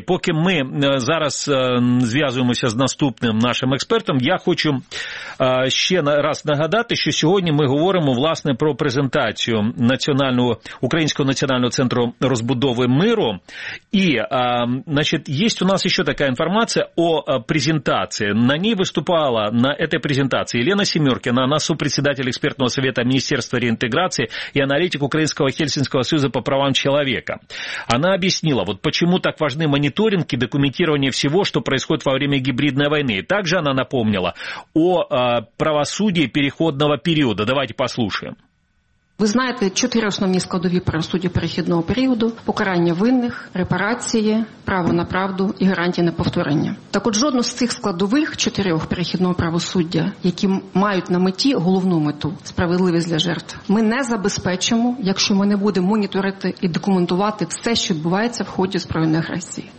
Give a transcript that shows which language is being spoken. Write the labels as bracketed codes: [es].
[uk] Поки ми зараз зв'язуємося з наступним нашим експертом, я хочу ще раз нагадати, що сьогодні ми говоримо, власне, про презентацію національного, Українського національного центру розбудови миру. І, значить, є у нас ще така інформація о презентації. На ній виступала, на цій презентації, [ru] Елена Семеркина, она сопредседатель экспертного совета Министерства реинтеграции и аналитик Украинского Хельсинского союза по правам человека. Она объяснила, вот почему так важны мониторинг и документирование всего, что происходит во время гибридной войны. И также она напомнила о правосудии переходного периода. Давайте послушаем. [uk] Ви знаєте, чотири основні складові правосуддя перехідного періоду – покарання винних, репарації, право на правду і гарантії неповторення. Так от жодну з цих складових чотирьох перехідного правосуддя, які мають на меті головну мету – справедливість для жертв, ми не забезпечимо, якщо ми не будемо моніторити і документувати все, що відбувається в ході збройної агресії.